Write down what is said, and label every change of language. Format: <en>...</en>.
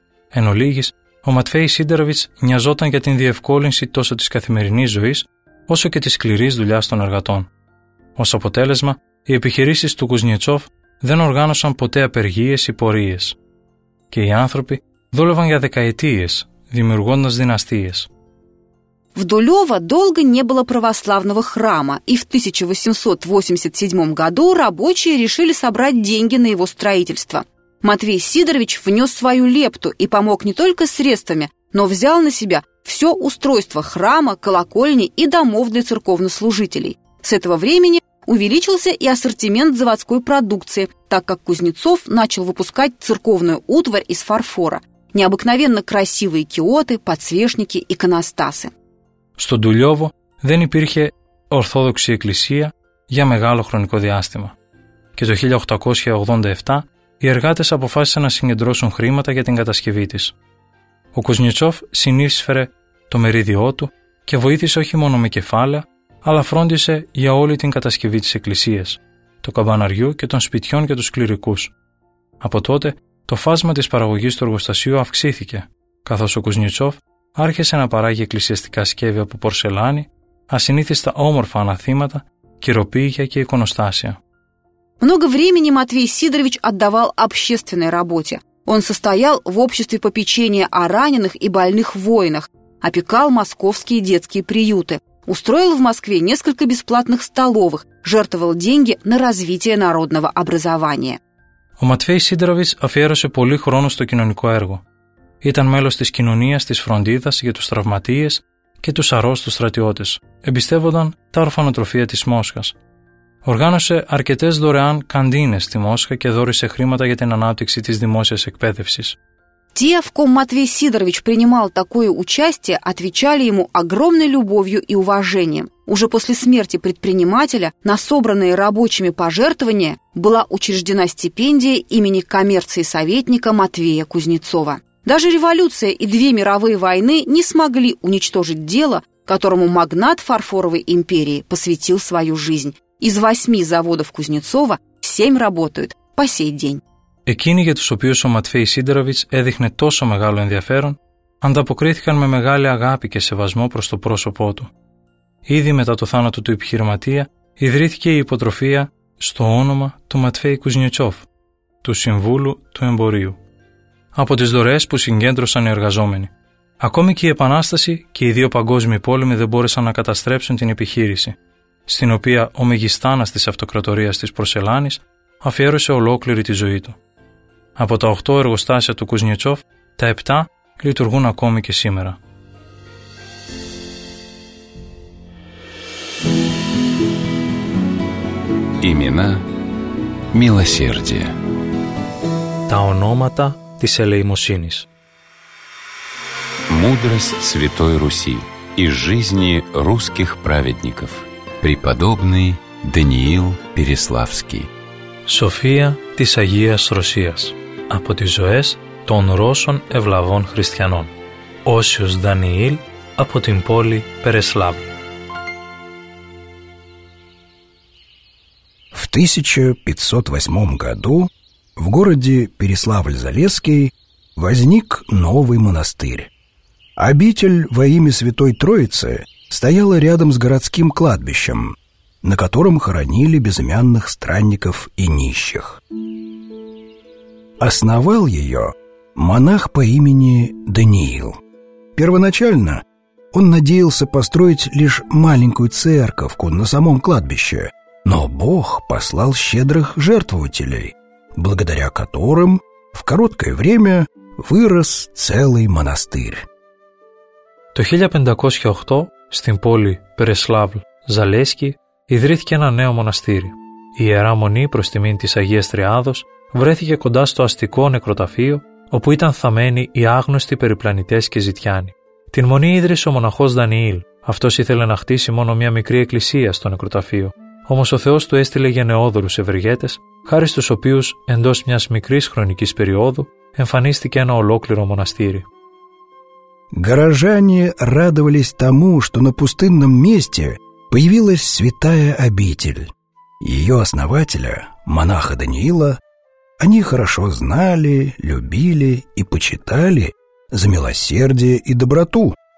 <el>Εν ολίγης, ο Ματφέη Σίδεροβιτς νοιαζόταν για την διευκόλυνση τόσο της καθημερινής ζωής, όσο και της σκληρής δουλειάς των εργατών. Ως αποτέλεσμα, οι επιχειρήσεις του Κουσνητσόφ δεν οργάνωσαν ποτέ απεργίες ή πορείες. Και οι άνθρωποι δούλευαν για δεκαετίες, δημιουργώντας δυναστείες.</el> <ru>В Дулево долго не было православного храма, и в 1887 году рабочие решили собрать деньги на его строительство. Матвей Сидорович внес свою лепту и помог не только средствами, но взял на себя все устройство храма, колокольни и домов для церковнослужителей. С этого времени увеличился и ассортимент заводской продукции, так как Кузнецов начал выпускать церковную утварь из фарфора. Необыкновенно красивые киоты, подсвечники, иконостасы.</ru> <el>Στον Ντουλιόβο δεν υπήρχε ορθόδοξη εκκλησία για μεγάλο χρονικό διάστημα. Και το 1887 οι εργάτες αποφάσισαν να συγκεντρώσουν χρήματα για την κατασκευή της. Ο Κουσνητσόφ συνείσφερε το μερίδιό του και βοήθησε όχι μόνο με κεφάλαια, αλλά φρόντισε για όλη την κατασκευή της εκκλησίας, το καμπαναριού και των σπιτιών για τους κληρικούς. Από τότε το φάσμα της παραγωγής του εργοστασίου αυξήθηκε, καθώς ο Κουσνητσόφ άρχισε να παράγει εκκλησιαστικά σκεύη από πορσελάνη, ασυνήθιστα όμορφα αναθήματα, κυροπήγια και εικονοστάσια.</el> <ru>Много времени Матвей Сидорович отдавал общественной работе. Он состоял в обществе попечения о раненых и больных воинах, опекал московские детские приюты, устроил в Москве несколько бесплатных столовых, жертвовал деньги на развитие народного образования.</ru> <el>Ο Матвей Сидорович αφιέρωσε πολύ χρόνο στο κοινωνικό έργο. Ήταν μέλος της κοινωνίας της φροντίδας για τους τραυματίες και τους αρρώστους στρατιώτες. Εμπιστεύονταν τα ορφανοτροφεία της Μόσχας. Οργάνωσε αρκετές δωρεάν καντίνες στη Μόσχα και δώρισε χρήματα για την ανάπτυξη της δημόσιας εκπαίδευσης.</el> <ru>Те, в ком Матвей Сидорович принимал такое участие, отвечали ему огромной любовью и уважением. Уже после смерти предпринимателя на собранные рабочими пожертвования была учреждена стипендия имени коммерции советника Матвея Кузнецова. Даже революция и две мировые войны не смогли уничтожить дело, которому магнат фарфоровой империи посвятил свою жизнь. Из 8 заводов Кузнецова 7 работают по сей день.</ru> <el>Εκείνοι για τους οποίους ο Ματφέη Σίδεροβιτς έδειχνε τόσο μεγάλο ενδιαφέρον, ανταποκρίθηκαν με μεγάλη αγάπη και σεβασμό προς το πρόσωπό του. Ήδη μετά το θάνατο του επιχειρηματία, ιδρύθηκε η υποτροφία στο όνομα του Ματφέη Κουζνιτσόφ, του Συμβούλου του Εμπορίου. Από τις δωρεές που συγκέντρωσαν οι εργαζόμενοι. Ακόμη και η Επανάσταση και οι δύο παγκόσμιοι πόλεμοι δεν μπόρεσαν να καταστρέψουν την επιχείρηση, στην οποία ο μεγιστάνας της αυτοκρατορίας της Πορσελάνης αφιέρωσε ολόκληρη τη ζωή του. Από τα 8 εργοστάσια του Κουσνητσόφ, τα 7 λειτουργούν ακόμη και σήμερα.</el> <ru>Имена милосердия.</ru> <el>Τα ονόματα της ελεημοσύνης.</el> <ru>Мудрость Святой Руси и жизни русских праведников. Преподобный Даниил Переславский.</ru> <el>Σοφία της Αγίας Ρωσίας από τις ζωές των Ρώσων Ευλαβών Χριστιανών. Όσιος Δανιήλ από την πόλη Περεσλάβ.</el> <ru>В 1508 году в городе Переславль-Залесский возник новый монастырь. Обитель во имя Святой Троицы стояла рядом с городским кладбищем, на котором хоронили безымянных странников и нищих. Основал ее монах по имени Даниил. Первоначально он надеялся построить лишь маленькую церковку на самом кладбище, но Бог послал щедрых жертвователей, благодаря которым в короткое время вырос целый монастырь. В 1508 году в городе Переславль-Залесский</ru> <el>ιδρύθηκε ένα νέο μοναστήρι. Η Ιερά Μονή προς τιμήν της Αγίας Τριάδος βρέθηκε κοντά στο αστικό νεκροταφείο όπου ήταν θαμμένοι οι άγνωστοι περιπλανητές και ζητιάνοι. Την Μονή ίδρυσε ο μοναχός Δανιήλ. Αυτός ήθελε να χτίσει μόνο μια μικρή εκκλησία στο νεκροταφείο. Όμως ο Θεός του έστειλε γενναιόδωρους ευεργέτες, χάρη στους οποίους εντός μιας μικρής χρονικής περιόδου εμφανίστηκε ένα ολόκληρο μοναστήρι.</el> <ru>Горожане радовались тому, что на пустынном месте появилась святая обитель. Ее основателя, монаха Даниила, они хорошо знали, любили и почитали за милосердие и доброту.</ru>